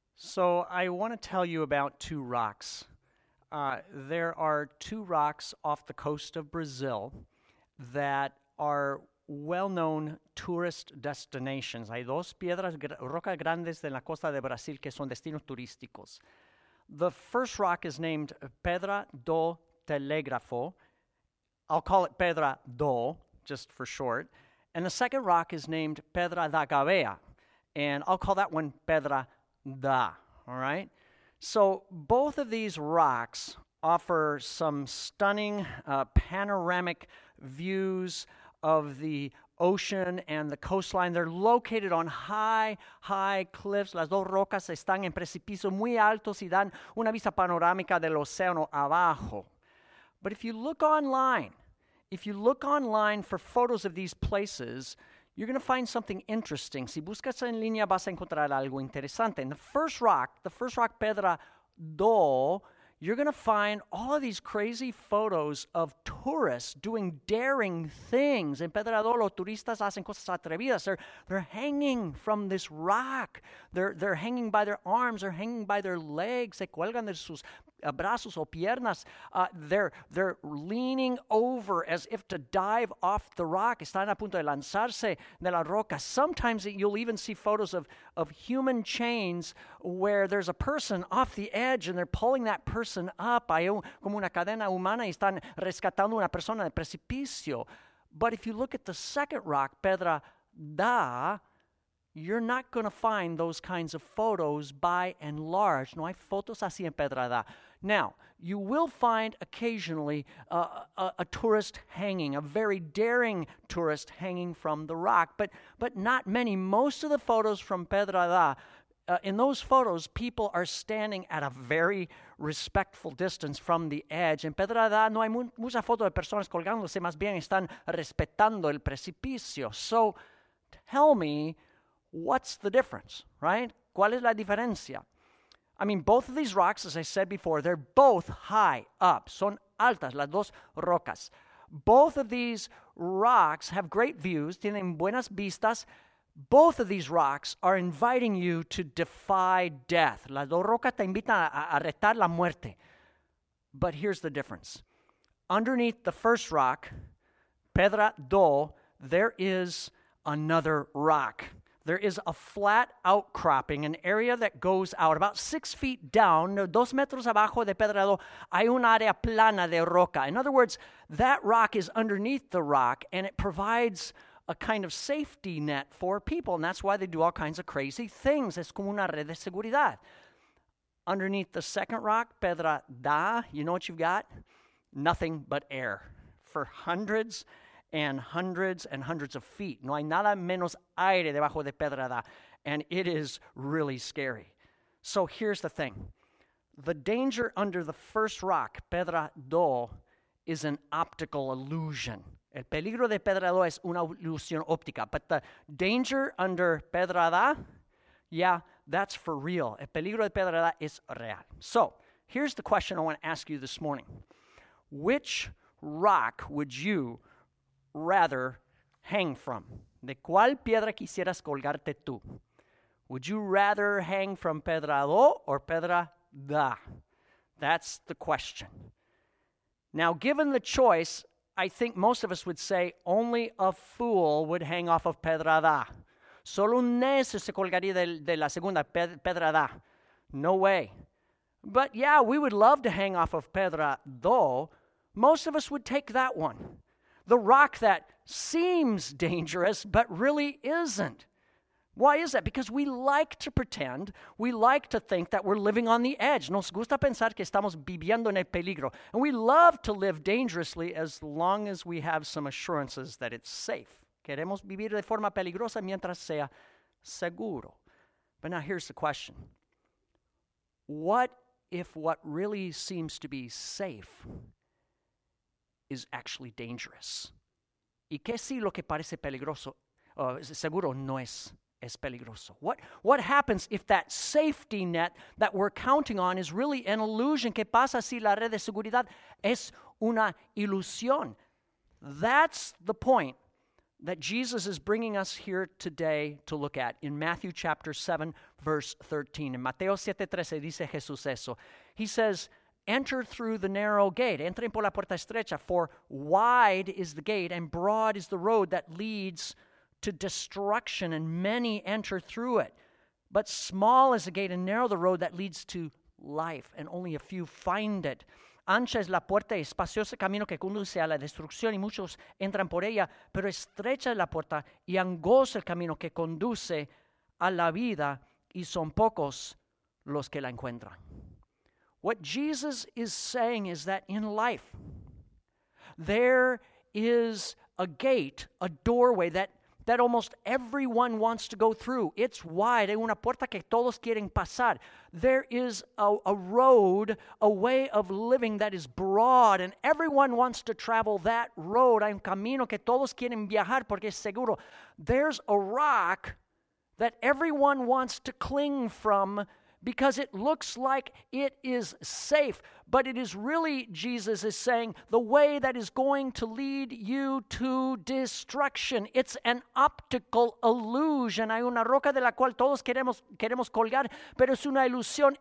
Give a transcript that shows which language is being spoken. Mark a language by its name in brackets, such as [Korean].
[English] So I want to tell you about two rocks. There are two rocks off the coast of Brazil that are well-known tourist destinations. [Spanish] Hay dos piedras, rocas grandes de la costa de Brasil que son destinos turísticos. [English] The first rock is named Pedra do Telégrafo. I'll call it Pedra do, just for short. And the second rock is named Pedra da Gávea, and I'll call that one Pedra da. All right. So both of these rocks offer some stunning panoramic views of the ocean and the coastline. They're located on high cliffs. [Spanish] Las dos rocas están en precipicios muy altos y dan una vista panorámica del océano abajo. [English] But if you look online for photos of these places, you're going to find something interesting. [Spanish] Si buscas en línea, vas a encontrar algo interesante. [English] And the first rock, Pedra do, you're going to find all of these crazy photos of tourists doing daring things. [Spanish] En Pedra do, los turistas hacen cosas atrevidas. [English] They're hanging from this rock. They're hanging by their arms. They're hanging by their legs. [Spanish] Se cuelgan de sus brazos o piernas. [English] They're leaning over as if to dive off the rock. [Spanish] Están a punto de lanzarse de la roca. [English] Sometimes you'll even see photos of human chains where there's a person off the edge and they're pulling that person up. [Spanish] Hay como una cadena humana y están rescatando una persona del precipicio. [English] But if you look at the second rock, Pedra da, you're not going to find those kinds of photos by and large. [Spanish] No hay fotos así en Pedra da. [English] Now, you will find occasionally a tourist hanging, a very daring tourist hanging from the rock, but not many. Most of the photos from Pedra da, in those photos, people are standing at a very respectful distance from the edge. [Spanish] En Pedra da no hay mu muchas fotos de personas colgándose, más bien están respetando el precipicio. [English] So, tell me, what's the difference, right? [Spanish] ¿Cuál es la diferencia? [English] I mean, both of these rocks, as I said before, they're both high up. [Spanish] Son altas, las dos rocas. [English] Both of these rocks have great views, [Spanish] tienen buenas vistas. [English] Both of these rocks are inviting you to defy death. [Spanish] Las dos rocas te invitan a retar la muerte. [English] But here's the difference. Underneath the first rock, Pedra do, there is another rock. There is a flat outcropping, an area that goes out about 6 feet down, [Spanish] 2 metros abajo de Pedra do, hay un área plana de roca. [English] In other words, that rock is underneath the rock, and it provides a kind of safety net for people, and that's why they do all kinds of crazy things. [Spanish] Es como una red de seguridad. [English] Underneath the second rock, Pedra da, you know what you've got? Nothing but air for hundreds and hundreds and hundreds of feet. [Spanish] No hay nada menos aire debajo de Pedra da, [English] and it is really scary. So here's the thing. The danger under the first rock, Pedra do, is an optical illusion. [Spanish] El peligro de Pedra do es una ilusión óptica. [English] But the danger under Pedra da, yeah, that's for real. [Spanish] El peligro de Pedra da es real. [English] So here's the question I want to ask you this morning. Which rock would you rather hang from? [Spanish] ¿De cuál piedra quisieras colgarte tú? [English] Would you rather hang from Pedra do or Pedra da? That's the question. Now, given the choice, I think most of us would say only a fool would hang off of Pedra da. [Spanish] Solo un necio se colgaría de la segunda, Pedra da. [English] No way. But yeah, we would love to hang off of Pedra do. Most of us would take that one. The rock that seems dangerous but really isn't. Why is that? Because we like to pretend, we like to think that we're living on the edge. [Spanish] Nos gusta pensar que estamos viviendo en el peligro. [English] And we love to live dangerously as long as we have some assurances that it's safe. [Spanish] Queremos vivir de forma peligrosa mientras sea seguro. [English] But now here's the question. What if what really seems to be safe is actually dangerous? [Spanish] ¿Y qué si lo que parece peligroso, seguro no es peligroso? [English] What happens if that safety net that we're counting on is really an illusion? [Spanish] ¿Qué pasa si la red de seguridad es una ilusión? [English] That's the point that Jesus is bringing us here today to look at in Matthew chapter 7, verse 13. In [Spanish] Mateo 7, 13, dice Jesús eso. [English] He says, enter through the narrow gate. [Spanish] Entren por la puerta estrecha, [English] for wide is the gate and broad is the road that leads to destruction, and many enter through it. But small is the gate and narrow the road that leads to life, and only a few find it. [Spanish] Ancha es la puerta y espacioso el camino que conduce a la destrucción, y muchos entran por ella, pero estrecha es la puerta y angosto el camino que conduce a la vida, y son pocos los que la encuentran. [English] What Jesus is saying is that in life, there is a gate, a doorway that almost everyone wants to go through. It's wide. [Spanish] Hay una puerta que todos quieren pasar. [English] There is a road, a way of living that is broad, and everyone wants to travel that road. [Spanish] Hay un camino que todos quieren viajar porque es seguro. [English] There's a rock that everyone wants to cling from because it looks like it is safe. But it is really, Jesus is saying, the way that is going to lead you to destruction. It's an optical illusion. [Spanish] Hay una roca de la cual todos queremos colgar, pero es una ilusión.